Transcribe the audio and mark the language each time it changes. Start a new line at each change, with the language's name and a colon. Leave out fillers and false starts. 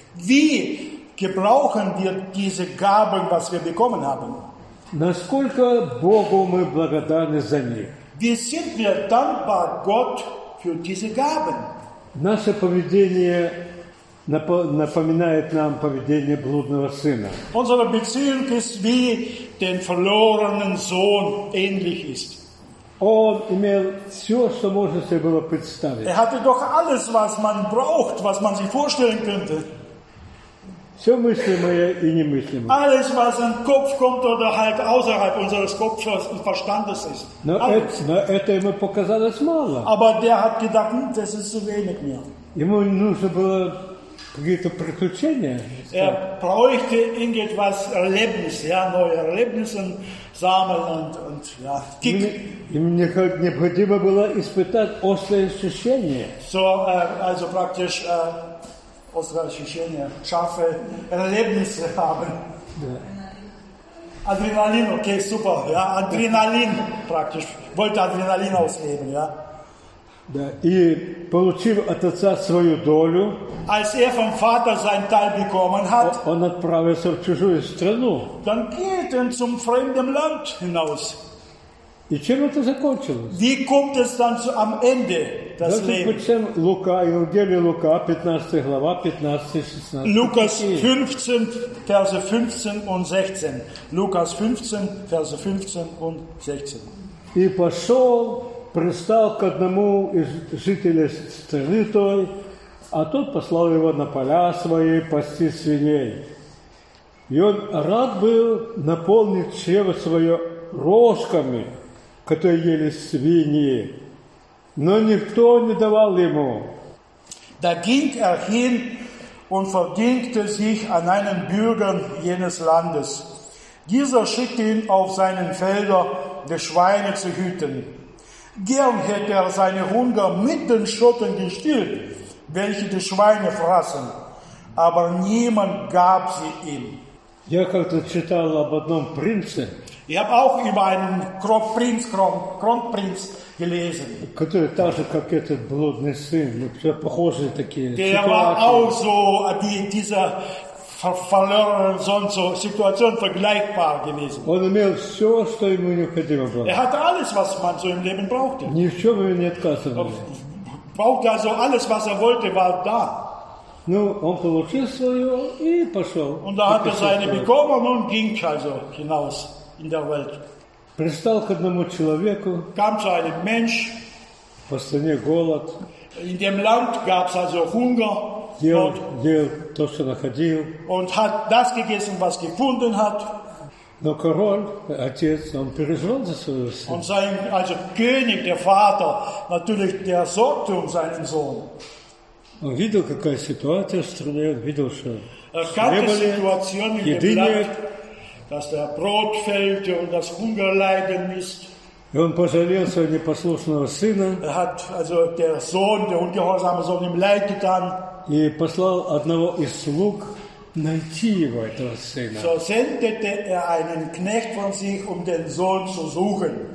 German: Wie gebrauchen wir diese Gaben, was wir bekommen haben?
Russian: Насколько Богу мы благодарны за них?
German: Wie sind wir dankbar Gott für diese Gaben?
Russian: Наше поведение напоминает нам поведение блудного сына.
German: Unsere Beziehung ist wie den verlorenen Sohn ähnlich ist.
Russian: Он имел все, что можно себе было представить.
German: Er hatte doch alles, was man braucht, was man sich vorstellen könnte.
Russian: Все мыслимое и немыслимое.
German: Alles, was in Kopf kommt oder halt außerhalb unseres Kopfes und Verstandes ist.
Russian: Но это ему показалось мало.
German: Aber der hat gedacht, das ist zu wenig mehr.
Russian: Ему нужно было какие-то приключения.
German: Er bräuchte irgendetwas Erlebnis, ja, neue Erlebnisse sammeln und ja, Kick.
Russian: Ему необходимо было испытать острые ощущения.
German: So, also praktisch... Unsere Ощущения, scharfe Erlebnisse haben. Adrenalin, okay, super. Ja, Adrenalin praktisch. Wollte Adrenalin ausleben, ja.
Russian: Да. И получив от отца свою долю,
German: als er vom Vater seinen Teil bekommen hat,
Russian: он отправился в чужую страну.
German: Dann geht er zum fremden Land hinaus.
Russian: И чем это закончилось?
German: Wie kommt es dann zu, am Ende? Lukas 15, Verse 15 und 16. Lukas 15, Verse 15 und 16.
Russian: И пошел, пристал к одному из жителей страны той, а тот послал его на поля свои пасти свиней. И он рад был наполнить чрево свое рожками, которые ели свиньи. Но никто не давал ему.
German: Da ging er hin und verdingte sich an einen Bürgern jenes Landes. Dieser schickte ihn auf seinen Felder, die Schweine zu hüten. Gern hätte er seine Hunger mit den Schoten gestillt, welche die Schweine fraßen, aber niemand gab sie ihm.
Russian: Я как-то читал об одном принце.
German: Ich habe auch über einen Kronprinz gelesen.
Russian: Который так же, как этот блудный сын, ну, все похожие такие.
German: Der war auch so, dieser verlorene Sohn, so Situation vergleichbar gewesen.
Russian: Он имел все, что ему необходимо было.
German: Er hatte alles, was man so im Leben brauchte.
Russian: Ни в чем ему не отказывали.
German: Brauchte also alles, was er wollte, war da.
Russian: Ну, он получил свое и пошел.
German: Und da hat er seine bekommen und ging also hinaus. In der Welt.
Russian: Пристал к одному человеку.
German: Kam zu einem Mensch.
Russian: По стране голод.
German: In dem Land gab's also Hunger.
Russian: Ел то, что находил.
German: Und hat das gegessen, was gefunden hat.
Russian: Но король, отец, он переживал за своего сына.
German: Und sein, also König, der Vater, natürlich, der sorgte um seinen Sohn.
Russian: Он видел, какая ситуация в стране, он видел, что хлеба нет, еды нет.
German: Dass der Brot fällt und das Hungerleiden ist.
Russian: И он пожалел своего непослушного сына.
German: Er hat also der Sohn, der ungehorsame Sohn, ihm leid getan.
Russian: И послал одного из слуг найти его, этого сына.
German: So sendete er einen Knecht von sich, um den Sohn zu suchen.